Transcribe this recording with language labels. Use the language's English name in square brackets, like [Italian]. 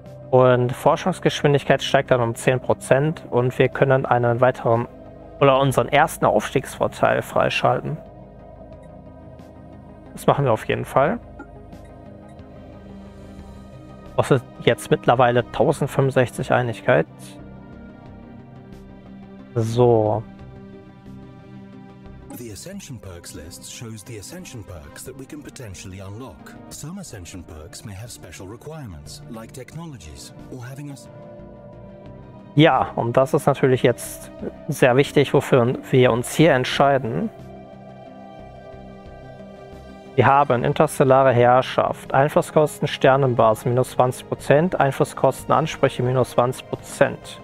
[German] Und Forschungsgeschwindigkeit steigt dann um 10%. Und wir können einen weiteren oder unseren ersten Aufstiegsvorteil freischalten. Das machen wir auf jeden Fall. Was ist jetzt mittlerweile 1065 Einigkeit? So. [English] The Ascension Perks list shows the Ascension Perks that we can potentially unlock. Some Ascension Perks may have special requirements, like technologies, or having us. [German] Ja, und das ist natürlich jetzt sehr wichtig, wofür wir uns hier entscheiden. Wir haben interstellare Herrschaft, Einflusskosten Sternenbasis minus 20%, Einflusskosten Ansprüche minus 20%.